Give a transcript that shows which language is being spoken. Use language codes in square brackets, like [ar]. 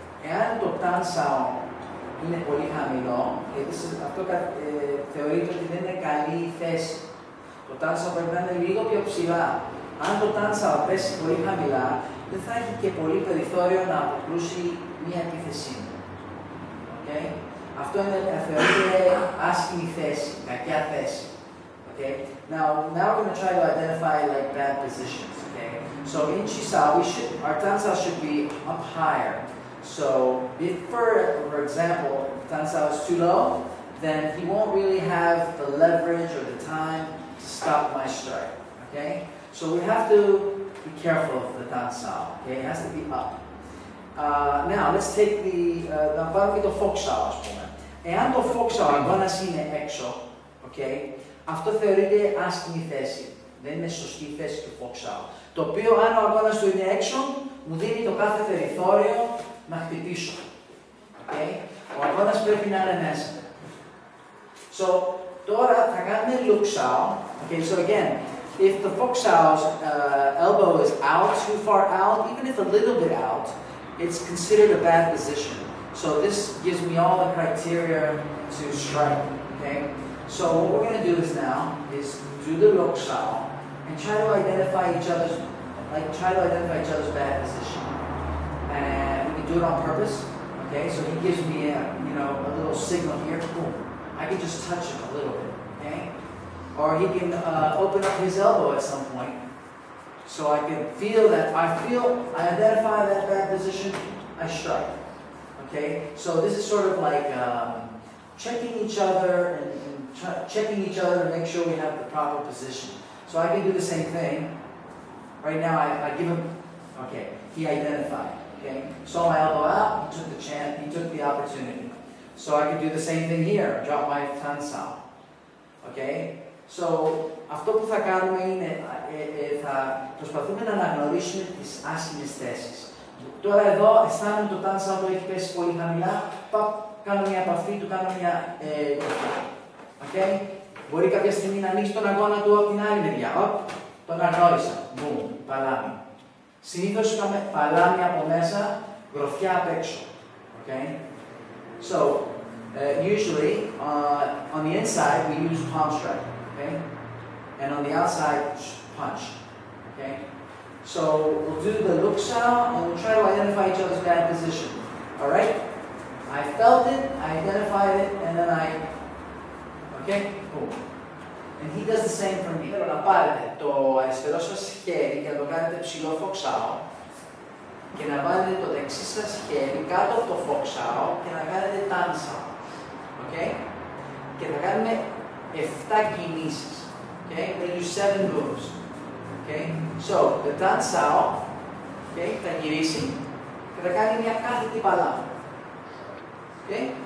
[el] Εάν το tan sound είναι πολύ χαμηλό, γιατί αυτό θεωρείται ότι δεν είναι καλή η θέση. Το tan sound πρέπει να είναι λίγο πιο ψηλά. Αν το tan sound πέσει πολύ χαμηλά, δεν θα έχει και πολύ περιθώριο να αποκλούσει μία επίθεσή μου. Okay? Αυτό είναι, θεωρείται άσχημη θέση, κακιά θέση. Okay? [en] Now we're going to try to identify like bad positions. Okay? So in Chisao, our tansao should be up higher. So if for example, if tansao is too low, then he won't really have the leverage or the time to stop my strike. Okay? So we have to be careful of the tansao, okay? It has to be up. Now, let's take the, να πάμε και το φόξαο, ας πούμε. Εάν το φόξαο αγώνας είναι έξω, okay, αυτό θεωρείται άσχημη θέση. Δεν είναι σωστή θέση του φόξαο. Το οποίο, αν ο αγώνας του είναι έξω, μου δίνει το κάθε περιθώριο να χτυπήσω. Okay? Ο αγώνας πρέπει να είναι μέσα. So, τώρα θα κάνουμε λουξάο. Okay, so again, if the foxao's elbow is out, too far out, even if a little bit out, it's considered a bad position. So this gives me all the criteria to strike, okay? So what we're going to do is now, is do the loksao and try to identify each other's, like try to identify each other's bad position. And we can do it on purpose, okay? So he gives me a, you know, a little signal here, boom. I can just touch him a little bit, okay? Or he can open up his elbow at some point. So I can feel that, I identify that bad position, I strike. Okay, so this is sort of like checking each other checking each other to make sure we have the proper position. So I can do the same thing. Right now I give him, okay, he identified. Okay, saw my elbow out, he took the chance, he took the opportunity. So I can do the same thing here, drop my tansao. Okay? [el] So, αυτό που θα κάνουμε είναι, θα προσπαθούμε να αναγνωρίσουμε τις άσχημες θέσεις. Τώρα εδώ αισθάνομαι το τάνσα που έχει πέσει πολύ χαμηλά, κάνω μια επαφή του, κάνω μια τροφή. Okay? Μπορεί κάποια στιγμή να ανοίξει τον αγώνα του από την άλλη μεριά. Οπ, τον αγνώρισα. Μπούμ, παλάμι. Συνήθως είχαμε παλάμι από μέσα, γροθιά απ' έξω. Okay? So, [en] Usually, on the inside, we use palm strike, okay? And on the outside, punch, okay? So we'll do the luksao and we'll try to identify each other's bad position, all right? I felt it, I identified it, and then I, okay, boom. And he does the same for me. [el] Θέλω να πάρετε το αριστερό σας χέρι και να το κάνετε ψηλό φοξάο και να βάλετε το δεξί σας χέρι κάτω από το φοξάο και να κάνετε τάνσα. Okay? Και θα κάνουμε 7 κινήσεις. Okay? [en] We'll do 7 moves. Okay? So, the τάνσαο, okay, [el] θα γυρίσει και θα κάνει μια κάθετη παλάβα. [en] Okay?